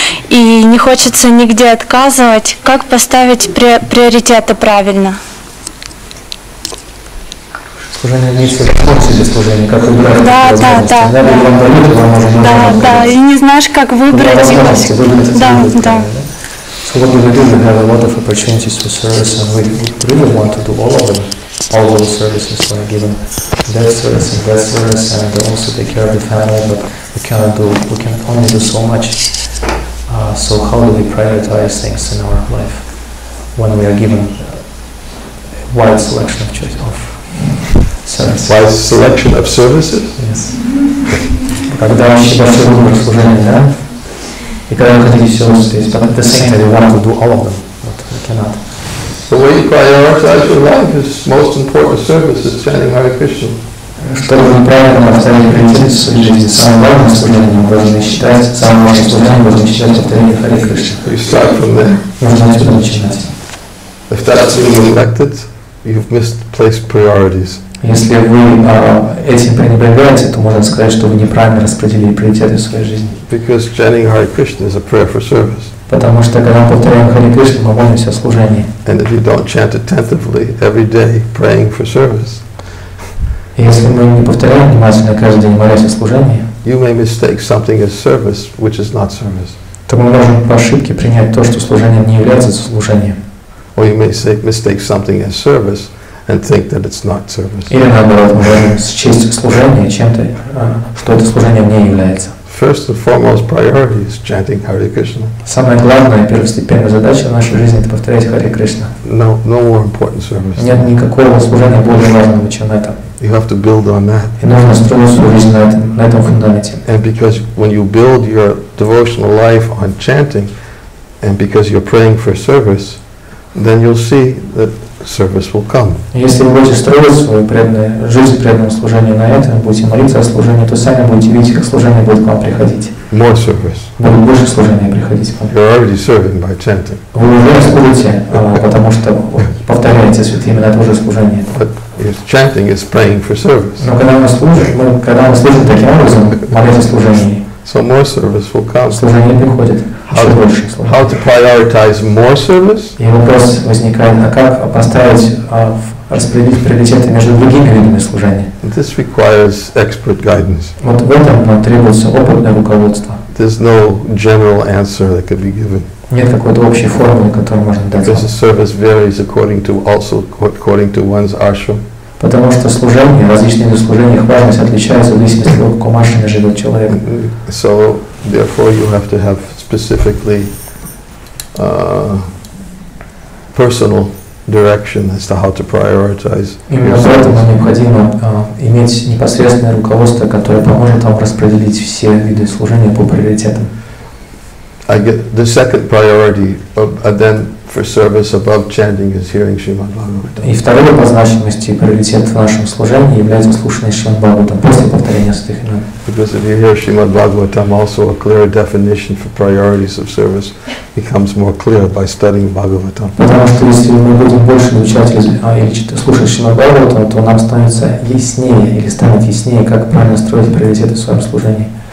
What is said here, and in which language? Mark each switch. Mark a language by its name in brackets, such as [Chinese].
[Russian] И не хочется нигде отказывать. Как поставить приоритеты правильно? Служение имеется в виду себе служение, как выбирать эти возможности. Да, да, да. Да, да, и не знаешь, как выбрать. Ну, выбрать да, да. [English] So what do we do? We have a lot of opportunities for service and we really want to do all of them. All of the services we are given. That service and also take care of the family, but we can only do so much. So how do we prioritize things in our life when we are given a wide selection of choice of services? Wide selection of services? Yes. [Russian] Когда вообще большой выбор служения, да? И когда вы хотите все успеть, [English] but at the same time, you want to do all of them, but you cannot. The way you prioritize your life is most important service is chanting Hare Krishna. [Russian] Чтобы вы правильно оставили приоритет в своей жизни, самым важным служением вы должны считать, самым важным служением вы должны считать повторение Hare Krishna. [English] You start from there. [Russian] Нужно отсюда начинать. [English] If that's being neglected, you've misplaced priorities. [Russian] Если вы этим пренебрегаете, то можно сказать, что вы неправильно распределили приоритеты в своей жизни. [English] Because chanting Hare Krishna is a prayer for service. [Russian] Потому что когда мы повторяем Hare Krishna, мы молимся о служении. [English] And if you don't chant attentively every day, praying for service. [Russian] Если мы не повторяем внимательно каждый день, молясь о служении, [English] you may mistake something as service, which is not service. [Russian] То мы можем по ошибке принять то, что служение не является служением. [English] Or you may mistake something as service and think that it's not service. [Russian] Или наоборот, мы можем счесть служение чем-то, что это служение не является. [English] First and foremost priority is chanting Hare Krishna. [Russian] Самая главная первостепенная задача в нашей жизни — это повторять Hare Krishna. [English] No more important service. [Russian] Нет никакого служения более важного, чем это. [English] You have to build on that. [Russian] И нужно строить свою жизнь на этом фундаменте. [English] And because when you build your devotional life on chanting, and because you're praying for service, then you'll see that service will come. [Russian] Если вы будете строить свою преданную жизнь преданному служению на этом, будете молиться о служении, то сами будете видеть, как служение будет к вам приходить. [English] more service. [Russian] Вы больше служения приходите. [English] You're already serving by chanting. [Russian] Вы уже служите, потому что повторяете святые имена, это уже служение. [English] But if chanting is praying for service. [Russian] Но когда мы служим, таким образом, молитесь служение. [English] So more service will come. [Russian] Служение приходит. [English] How to prioritize more service? [Russian] И вопрос возникает, а как поставить, распределить приоритеты между другими видами служения? [English] This requires expert guidance. [Russian] Вот в этом нам требуется опытное руководство. [English] There's no general answer that could be given. [Russian] Нет какой-то общей формулы, которую можно дать. [English] Because service varies according to also according to one's ashram. [Russian] Потому что служение, различные виды служения, их важность отличается в зависимости от какого ашрама живет человек. [English] So therefore you have to have specifically personal direction as to how to prioritize. [Russian] Именно поэтому необходимо иметь непосредственное руководство, которое поможет вам распределить все виды служения по приоритетам. [English] I get the second priority then for service above chanting is hearing Shrimad Bhagavatam. [Russian] И второй по значимости приоритет в нашем служении является слушание Шримад Бхагаватам после повторения святых имен. [English] Because if you hear Shrimad Bhagavatam, also a clear definition for priorities of service becomes more clear by studying Bhagavatam. [Russian] Потому что если мы будем больше изучать или слушать Шримад Бхагаватам, то нам становится яснее или станет яснее, как правильно строить приоритеты в своем служении.